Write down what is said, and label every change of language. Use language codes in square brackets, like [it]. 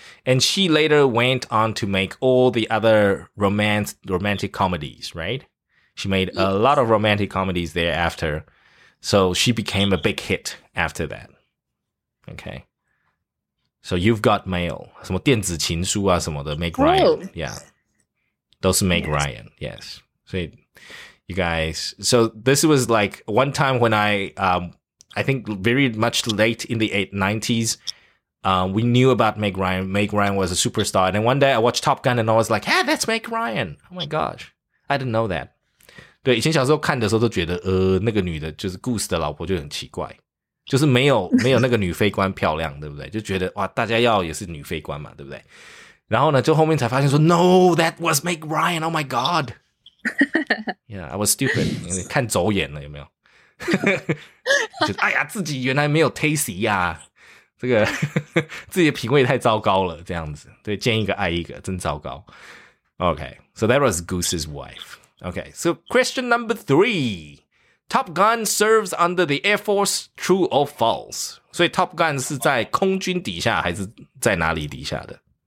[en] And she later went on to make all the other romantic comedies, right? She made a lot of romantic comedies thereafter. So she became a big hit after that. Okay. So you've got mail. [zh] 什么电子情书啊什么的, Meg Ryan. [en] Yeah. Those Meg Ryan, yes. So you guys, so this was like one time when I think very much late in the 90s, we knew about Meg Ryan. Meg Ryan was a superstar. And one day I watched Top Gun and I was like, hey, that's Meg Ryan. Oh my gosh. I didn't know that. [zh] 对，以前小时候看的时候都觉得，那个女的就是 Goose 的老婆就很奇怪。就是没有那个女飞官漂亮，对不对？就觉得哇，大家要也是女飞官嘛，对不对？然后呢，就后面才发现说 [en] no, that was Meg Ryan. Oh my God. Yeah, I was stupid. [zh] 看走眼了有没有？就哎呀，自己原来没有 tasty 呀、啊，这个自己的品味太糟糕了，这样子。对，见一个爱一个，真糟糕。 [en] Okay, so that was Goose's wife. Okay, so question number three: Top Gun serves under the Air Force. True or false? [zh] 所以 Top Gun 是在空军底下还是在哪里底下的？